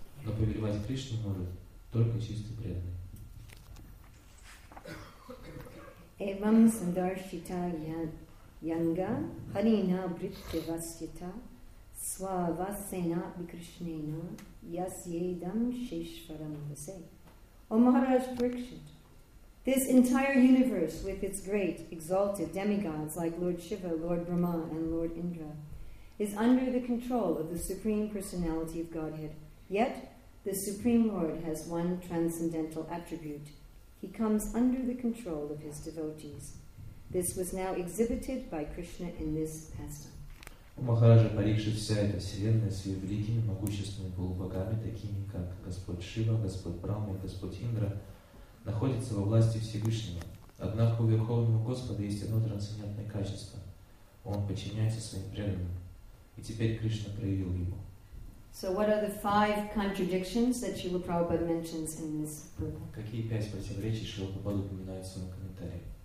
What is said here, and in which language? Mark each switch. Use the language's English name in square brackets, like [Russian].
[Russian] Но повелевать Кришне может только чистый преданный. [Sanskrit] Эвам сандаршита янга харина бритте васита свавасена викришнена ясьедам шешварам васе. [English] О Махарадж Парикшит, this entire universe with its great exalted demigods like Lord Shiva, Lord Brahma, and Lord Indra is under the control of the Supreme Personality of Godhead. Yet, the Supreme Lord has one transcendental attribute. He comes under the control of his devotees. This was now exhibited by Krishna in this pastime. [Russian] У Махараджа Парикшит вся эта вселенная с ее великими могущественными полубогами, такими как Господь Шива, Господь Брама и Господь Индра, находится во власти Всевышнего. Однако у Верховного Господа есть одно трансцендентное качество. Он подчиняется своим преданным. И теперь Кришна проявил его. [English] So what are the five contradictions that Srila Prabhupada mentions in this book? [Russian] Какие пять противоречий Шрила Прабхупада упоминает в своем комментарии?